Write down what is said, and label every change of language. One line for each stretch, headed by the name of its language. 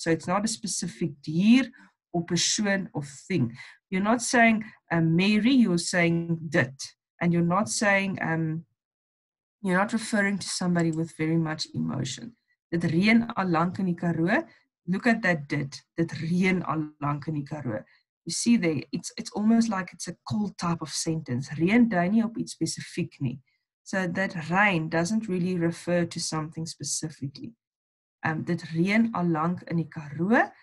English: So it's not a specific dier or persoon or thing. You're not saying Mary, you're saying dit. And you're not saying, you're not referring to somebody with very much emotion.
Afrikaans: Dit reën al lank in die Karoo. Look at that dit. Dit reën al lank in die Karoo.
English: You see there, it's almost like it's a cold type of sentence. Reën dui nie op iets spesifiek nie. So that rain doesn't really refer to something specifically.
Afrikaans: Dit reën al lank in die Karoo.